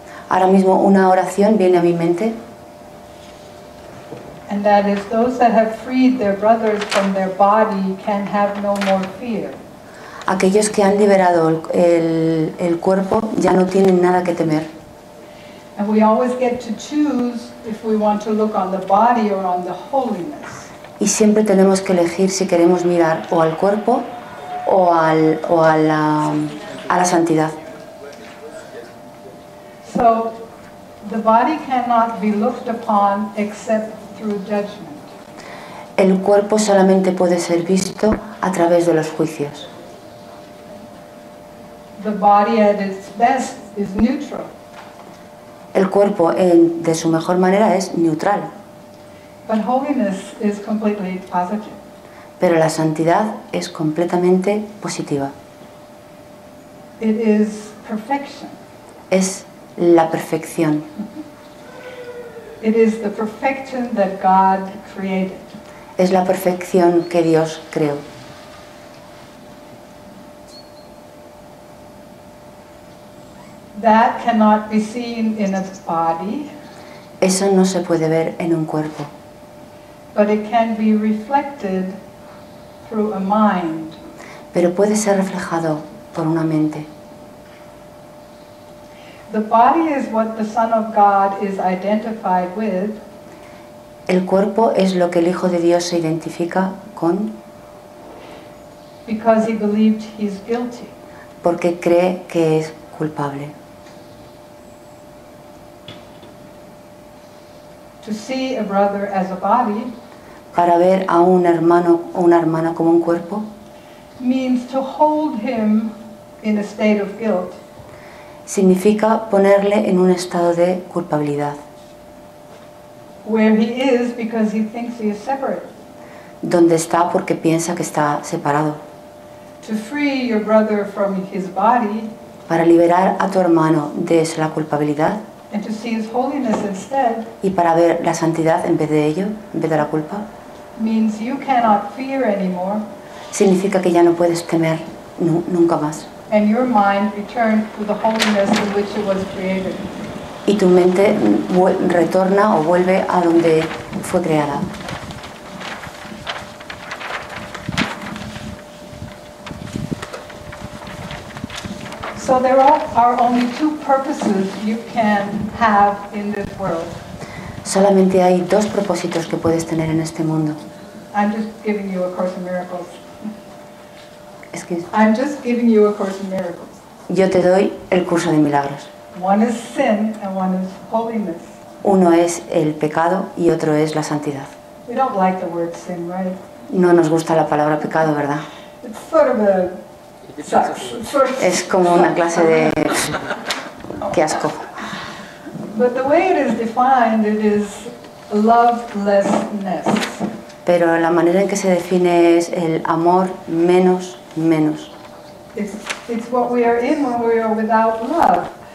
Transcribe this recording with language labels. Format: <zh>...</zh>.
<es>Ahora mismo una oración viene a mi mente.</es> <en>And that is, those that have freed their brothers from their body can have no more fear.</en> <es>Aquellos que han liberado el cuerpo ya no tienen nada que temer.</es> <en>And we always get to choose if we want to look on the body or on the holiness.</en> <es>Y siempre tenemos que elegir si queremos mirar o al cuerpo o a la santidad.</es> <en>So the body cannot be looked upon except through judgment.</en> <es>El cuerpo solamente puede ser visto a través de los juicios.</es> <en>The body at its best is neutral.</en> <es>El cuerpo de su mejor manera es neutral.</es> <en>But holiness is completely positive.</en> <es>Pero la santidad es completamente positiva.</es> <en>It is perfection.</en> <es>Es la perfección.</es> <en>It is the perfection that God created.</en> <es>Es la perfección que Dios creó.</es> <en>That cannot be seen in a body.</en> <es>Eso no se puede ver en un cuerpo.</es> <en>But it can be reflected through a mind.</en> <es>Pero puede ser reflejado por una mente.</es> <en>The body is what the Son of God is identified with.</en> <es>El cuerpo es lo que el Hijo de Dios se identifica con.</es> <en>Because he believed he's guilty.</en> <es>Porque cree que es culpable.</es> <en>To see a brother as a body.</en> <es>Para ver a un hermano o una hermana como un cuerpo.</es> <en>Means to hold him in a state of guilt.</en> <es>Significa ponerle en un estado de culpabilidad.</es> <en>Where he is because he thinks he is separate.</en> <es>Donde está porque piensa que está separado.</es> <en>To free your brother from his body.</en> <es>Para liberar a tu hermano de la culpabilidad.</es> <en>And to see his holiness instead.</en> <es>Y para ver la santidad en vez de ello, en vez de la culpa.</es> <en>Means you cannot fear anymore.</en> <es>Significa que ya no puedes temer nunca más.</es> <en>And your mind returns to the holiness in which it was created.</en> <es>Y tu mente retorna o vuelve a donde fue creada.</es> <en>So there are only two purposes you can have in this world.</en> <es>Solamente hay dos propósitos que puedes tener en este mundo.</es> <en>I'm just giving you a Course in Miracles. Excuse. I'm just giving you a Course in Miracles.</en> <es>Yo te doy el curso de milagros.</es> <en>One is sin and one is holiness.</en> <es>Uno es el pecado y otro es la santidad.</es> <en>We don't like the word sin, right?</en> <es>No nos gusta la palabra pecado, ¿verdad?</es> <en>It's sort of a sucks.</en> <es>Es como una clase de qué asco.</es> <en>But the way it is defined, it is lovelessness.</en> <es>Pero la manera en que se define es el amor menos. Menos.</es> <en>It's what we are in when we are without love.</en>